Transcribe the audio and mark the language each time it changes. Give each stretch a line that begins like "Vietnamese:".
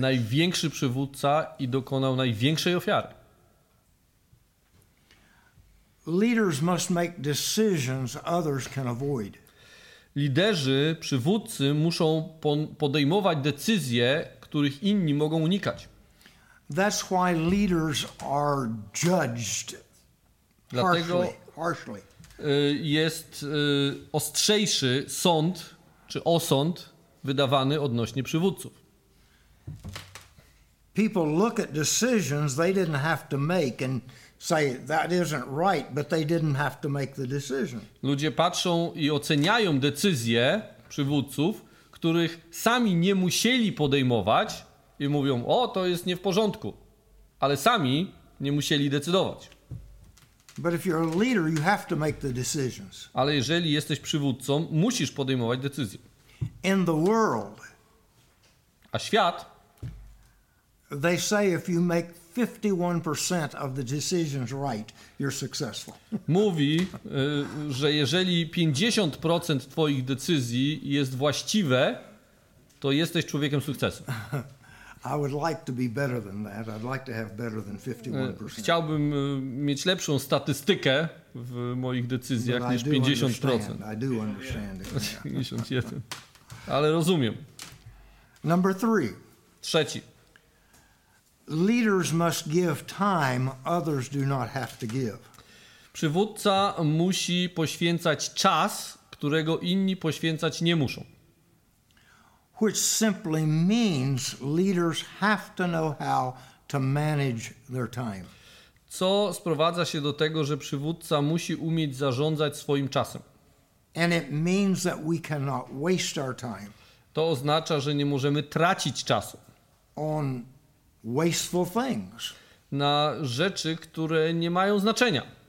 Polish: Największy przywódca i dokonał największej ofiary.
English: Leaders must make decisions others can avoid.
Polish: Liderzy, przywódcy muszą podejmować decyzje, których inni mogą unikać.
English: That's why leaders are judged harshly.
Polish: jest ostrzejszy sąd, czy osąd wydawany odnośnie przywódców.
English: People look at decisions they didn't have to make and say that isn't right, but they didn't have to make the decision.
Polish: Ludzie patrzą i oceniają decyzje przywódców, których sami nie musieli podejmować i mówią, o, to jest nie w porządku, ale sami nie musieli decydować.
English: But if you're a leader, you have to make the decisions.
Polish: Ale jeżeli jesteś przywódcą, musisz podejmować decyzje.
English: In the world,
Polish: a świat,
English: they say if you make 51% of the decisions right, you're successful.
Polish: Mówi, że jeżeli 50% twoich decyzji jest właściwe, to jesteś człowiekiem sukcesu.
English: I would like to be better than that. I'd like to have better than 51%.
Polish: Chciałbym mieć lepszą statystykę w moich decyzjach niż 50%.
English: I do understand.
Polish: 51. Ale rozumiem.
English: Number three.
Polish: Trzeci.
English: Leaders must give time others do not have to give.
Polish: Przywódca musi poświęcać czas, którego inni poświęcać nie muszą.
English: Which simply means leaders have to know how to manage their time.
Polish: Co sprowadza się do tego, że przywódca musi umieć zarządzać swoim czasem.
English: And it means that we cannot waste our time.
Polish: To oznacza, że nie możemy tracić czasu.
English: On wasteful things.
Polish: Na rzeczy, które nie mają znaczenia.